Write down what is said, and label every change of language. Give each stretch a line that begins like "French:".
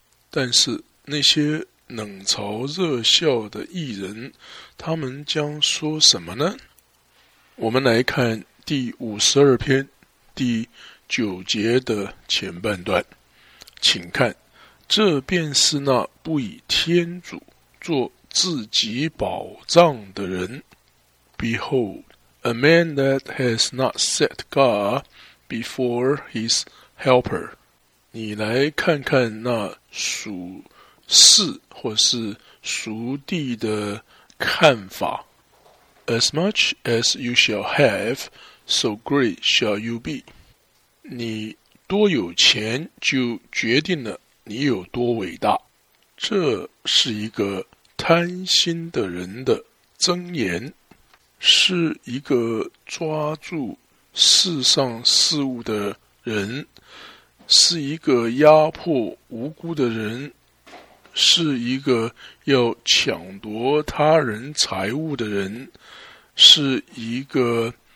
Chinese: 但是那些冷嘲热笑的义人，他们将说什么呢？我们来看第五十二篇第九节的前半段，请看，这便是那不以天主做自己宝藏的人。
English: Behold, a man that has not set God before his helper.
Chinese: 你来看看那属世或是属地的看法。
English: As much as you shall have, so great shall you be.
Chinese: 你多有钱就决定了你有多伟大。这是一个贪心的人的箴言，是一个抓住世上事物的人，是一个压迫无辜的人，是一个要抢夺他人财物的人，是一个